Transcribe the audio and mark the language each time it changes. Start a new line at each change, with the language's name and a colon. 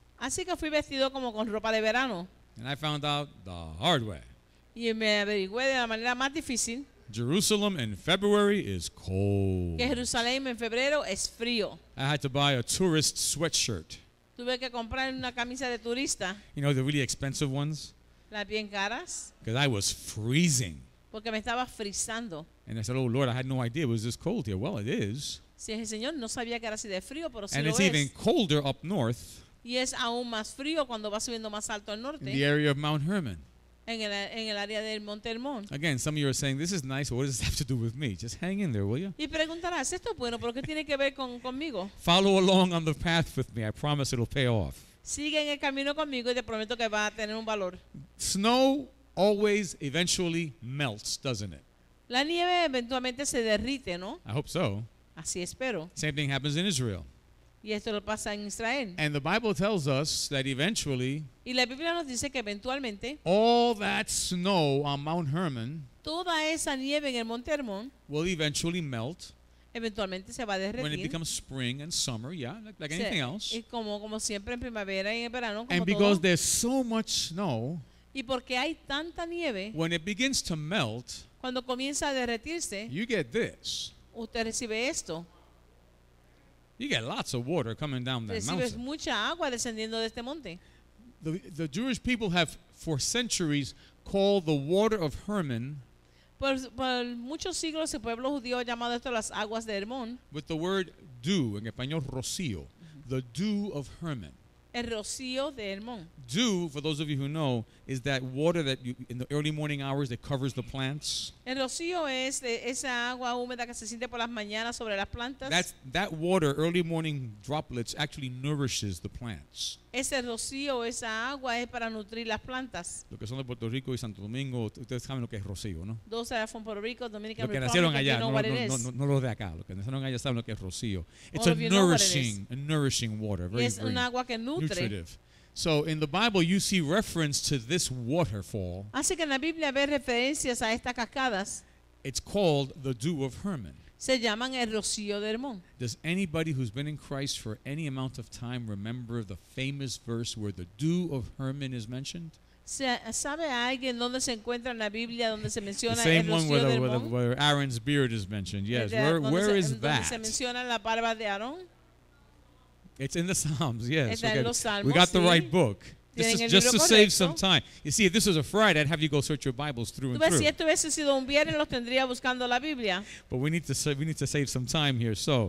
Spanish: Así que fui vestido como con ropa de verano.
English: And I found out the hard way.
Spanish: Y me averigüé de la manera más difícil.
English: Jerusalem in February is cold.
Spanish: Jerusalén en febrero es frío.
English: I had to buy a tourist sweatshirt.
Spanish: Tuve que comprar una camisa de turista.
English: You know, the really expensive ones.
Spanish: Las bien caras.
English: Because I was freezing.
Spanish: Porque me estaba frizando.
English: And I said, oh Lord, I had no idea it was this cold here. Well, it is.
Spanish: Sí, el Señor no sabía que era así de frío, pero sí lo es.
English: And it's even colder up north.
Spanish: Y es aún más frío cuando va subiendo más alto al norte.
English: In the area of Mount Hermon.
Spanish: En el área del Monte Hermón.
English: Again, some of you are saying, this is nice, what does this have to do with me? Just hang in there, will you?
Spanish: Y preguntarás, ¿esto es bueno, pero qué tiene que ver conmigo?
English: Follow along on the path with me. I promise it'll pay off.
Spanish: Sigue en el camino conmigo y te prometo que va a tener un valor.
English: Snow always eventually melts, doesn't it?
Spanish: La nieve eventualmente se derrite, ¿no?
English: I hope so.
Spanish: Así espero.
English: Same thing happens in Israel.
Spanish: Y esto lo pasa en Israel.
English: And the Bible tells us that eventually,
Spanish: y la Biblia nos dice que eventualmente,
English: all that snow on Mount Hermon,
Spanish: toda esa nieve en el Monte Hermón,
English: will eventually melt.
Spanish: Eventualmente se va a derretir.
English: When it becomes spring and summer, yeah, like anything else.
Spanish: Y como siempre en primavera y en verano, como todo.
English: And because there's so much snow,
Spanish: y porque hay tanta nieve,
English: when it begins to melt,
Spanish: cuando comienza a derretirse,
English: you get this.
Spanish: Usted recibe esto.
English: You get lots of water coming down that mountain.
Spanish: Recibes mucha agua descendiendo de este monte.
English: The Jewish people have for centuries called the water of Hermon.
Spanish: Por muchos siglos el pueblo judío ha llamado esto las aguas de Hermón.
English: With the word dew
Spanish: en español rocío,
English: the dew of Hermon.
Spanish: El rocío de Hermón.
English: Dew, for those of you who know, is that water that you, in the early morning hours that covers the plants.
Spanish: El rocío es esa agua húmeda que se siente por las mañanas sobre las plantas.
English: That water, early morning droplets, actually nourishes the plants.
Spanish: Ese rocío, esa agua, es para nutrir las plantas. Lo que son de Puerto Rico y Santo Domingo, ustedes saben lo que es rocío, ¿no? Dos eran
English: from Puerto Rico, Dominican.
Spanish: Los que nacieron allá, no los de acá. Los que nacieron allá saben lo que es rocío.
English: It's a nourishing, water. Very,
Spanish: es un agua que nutre.
English: Nutritive. So in the Bible, you see reference to this waterfall.
Spanish: Así que en la Biblia ve referencias a estas cascadas.
English: It's called the dew of Hermon.
Spanish: Se llaman el rocío de Hermón.
English: Does anybody who's been in Christ for any amount of time remember the famous verse where the dew of Hermon is mentioned?
Spanish: ¿Sabe alguien dónde se encuentra en la Biblia donde se menciona el rocío de Hermón?
English: The same one where Aaron's beard is mentioned. Yes, where is that?
Spanish: ¿Se menciona la barba de Aarón?
English: It's in the Psalms, yes.
Spanish: Okay. Salmos,
English: we got the
Spanish: sí.
English: Right book. This is just to save some time. You see, if this was a Friday, I'd have you go search your Bibles through and through.
Spanish: Si esto hubiese sido un viernes, lo tendría buscando la Biblia.
English: But we need to save some time here, so.